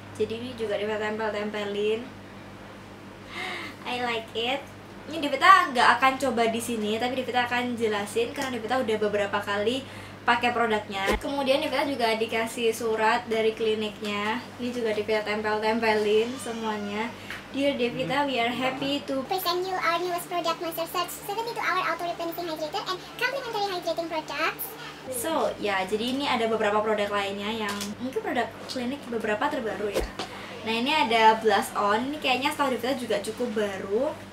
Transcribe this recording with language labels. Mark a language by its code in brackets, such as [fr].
[id] Jadi ini juga Devita tempel-tempelin. I like it. Ini Devita nggak akan coba di sini, tapi Devita akan jelasin karena Devita udah beberapa kali pakai produknya. Kemudian Devita juga dikasih surat dari kliniknya. Ini juga Devita tempel-tempelin semuanya. [en] Dear Devita, we are happy to present you our newest product, Moisture Surge 72 hour auto replenishing hydrator and complimentary hydrating products. [id] So, ya, jadi ini ada beberapa produk lainnya yang mungkin produk Clinique beberapa terbaru ya. Nah, ini ada blush on. Ini kayaknya setahu Devita juga cukup baru.